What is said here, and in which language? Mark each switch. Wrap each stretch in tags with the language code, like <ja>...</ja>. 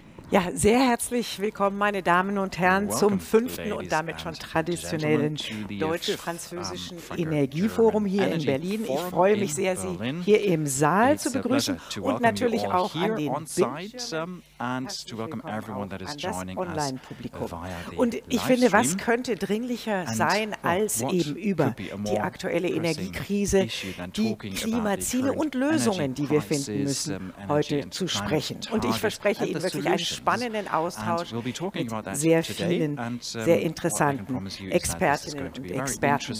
<de>Ja, sehr herzlich willkommen, meine Damen und Herren, zum fünften und damit schon traditionellen deutsch-französischen Energieforum hier in Berlin. Ich freue mich sehr, Sie hier im Saal zu begrüßen und natürlich auch an den Bildschirmen.</de> <en>And to welcome everyone that is joining us via the live stream.</en> <de>Und ich finde, was könnte dringlicher sein, als eben über die aktuelle Energiekrise, die Klimaziele und Lösungen, die wir finden müssen, heute zu sprechen. Und ich verspreche Ihnen wirklich einen spannenden Austausch mit sehr vielen, sehr interessanten Expertinnen und Experten.</de>